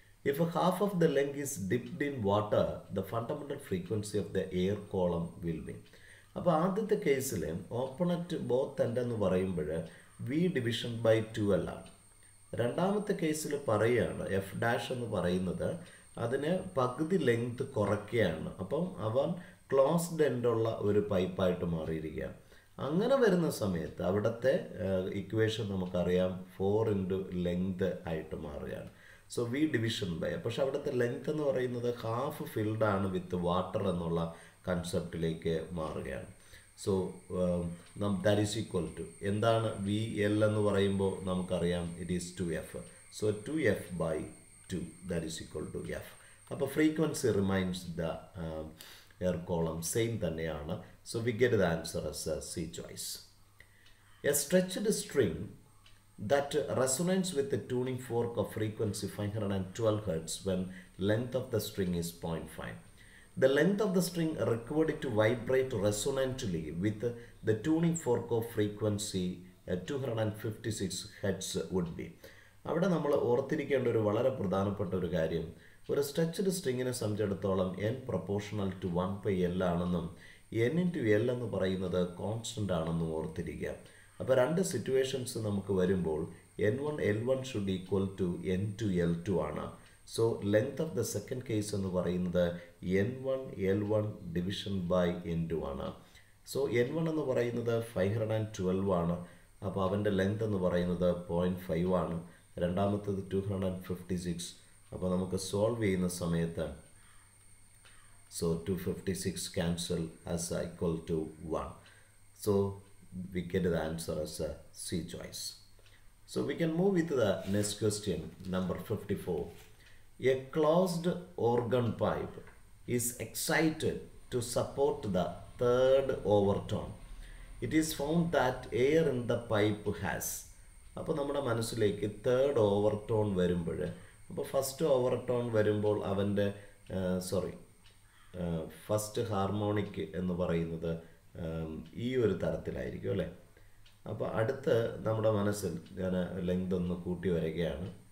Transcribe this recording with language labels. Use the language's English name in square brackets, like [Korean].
[English] If a half of the length is dipped in water, the fundamental frequency of the air column will be. [Malayalam] അപ്പോൾ ആദ്യത്തെ കേസിൽ open at both end എന്ന് പറയുമ്പോൾ V division by 2L ആണ്. രണ്ടാമത്തെ കേസിൽ പറയുകയാണ് എഫ് ഡാഷ് എന്ന് പറയുന്നത് അതിന് പകുതി ലെങ്ത് കുറയ്ക്കുകയാണ്. അപ്പം അവൻ ക്ലോസ്ഡ് എൻഡുള്ള ഒരു പൈപ്പായിട്ട് മാറിയിരിക്കുകയാണ്. അങ്ങനെ വരുന്ന സമയത്ത് അവിടുത്തെ ഇക്വേഷൻ നമുക്കറിയാം 4 ഇൻറ്റു ലെങ്ത് ആയിട്ട് മാറുകയാണ്. സോ വി ഡിവിഷൻ ബൈ, പക്ഷെ അവിടുത്തെ ലെങ്ത് എന്ന് പറയുന്നത് ഹാഫ് ഫിൽഡാണ് വിത്ത് വാട്ടർ എന്നുള്ള കൺസെപ്റ്റിലേക്ക് മാറുകയാണ്. [English] so that is equal to [Malayalam] എന്താണ് വി എൽ എന്ന് പറയുമ്പോൾ നമുക്കറിയാം [English] It is 2F. So 2F/2 that is equal to F. [Malayalam] അപ്പോൾ [English] frequency remains the air column same [Malayalam] തന്നെയാണ്. [English] So we get the answer as C choice. A stretched string that resonates with a tuning fork of frequency 512 Hz when length of the string is 0.5. The length of the string required to vibrate resonantly with the tuning fork of frequency 256 Hz would be. [Malayalam] അവിടെ നമ്മൾ ഓർത്തിരിക്കേണ്ട ഒരു വളരെ പ്രധാനപ്പെട്ട ഒരു കാര്യം, ഒരു stretched സ്ട്രിങ്ങിനെ സംബന്ധിച്ചിടത്തോളം n പ്രൊപ്പോർഷണൽ ടു 1/L ആണെന്നും N into L എന്ന് പറയുന്നത് കോൺസ്റ്റൻ്റ് ആണെന്നും ഓർത്തിരിക്കുക. അപ്പോൾ രണ്ട് സിറ്റുവേഷൻസ് നമുക്ക് വരുമ്പോൾ N1L1 [English] should equal to [Malayalam] N2L2 ആണ്. [English] so length of the second case [Malayalam] എന്ന് പറയുന്നത് N1L1 ഡിവിഷൻ ബൈ N2 ആണ്. സോ N1 എന്ന് പറയുന്നത് 512 ആണ്. അപ്പോൾ അവൻ്റെ ലെങ്ത് എന്ന് പറയുന്നത് 0.5 ആണ്. രണ്ടാമത്തത് 256. അപ്പോൾ നമുക്ക് സോൾവ് ചെയ്യുന്ന സമയത്ത് [English] So 256 cancel as equal to 1. So we get the answer as a C choice. So we can move into the next question, number 54. A closed organ pipe is excited to support the third overtone. It is found that air in the pipe has. [Malayalam] Appo nammada manasilekku third overtone varumbole, appo first overtone varumbol avante sorry first harmonic എന്ന് പറയുന്നത് ഈ ഒരു തരത്തിലായിരിക്കും അല്ലേ. അപ്പോൾ അടുത്ത് നമ്മുടെ മനസ്സിൽ ഞാൻ ലെങ്ത് ഒന്ന് കൂട്ടി വരികയാണ്.